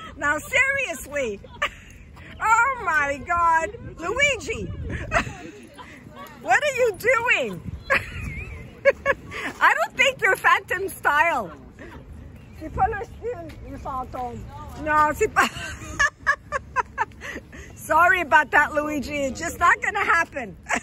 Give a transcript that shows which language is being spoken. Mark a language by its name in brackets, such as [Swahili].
[English] Now, seriously, oh my God, Luigi, what are you doing? I don't think you're Phantom style. [French] C'est pas le style du fantôme. [English] No, [French] c'est pas. [English] Sorry about that, Luigi. It's just not gonna happen.